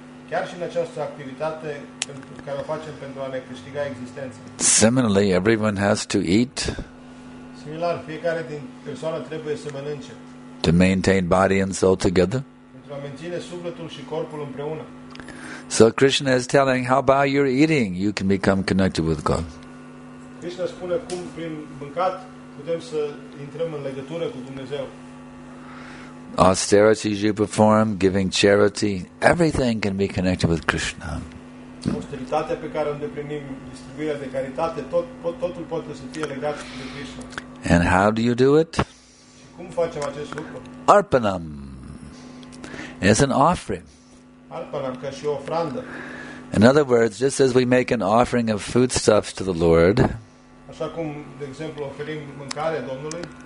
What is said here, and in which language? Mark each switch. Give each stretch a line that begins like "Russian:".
Romanian: chiar și în această activitate care o facem pentru a ne câștiga existența.
English: Similarly, everyone has to eat.
Romanian: Similar, fiecare din persoană trebuie să mănânce.
English: To maintain body and soul together.
Romanian: Pentru a menține sufletul și corpul împreună.
English: So Krishna is telling, how about your eating? You can become connected with God.
Romanian: Krishna spune cum prin mâncat putem să intrăm în legătură cu Dumnezeu.
English: Austerities you perform, giving charity, everything can be connected with Krishna.
Romanian: Austeritatea pe care o îndeplinim, distribuirea de caritate, totul poate să fie legat de Krishna.
English: And how do you do it?
Romanian: Și cum facem acest lucru?
English: Arpanam. It's an offering.
Romanian: Arpanam, ca și o ofrandă.
English: In other words, just as we make an offering of foodstuffs to the Lord,
Romanian: așa cum, de exemplu, oferim mâncare Domnului,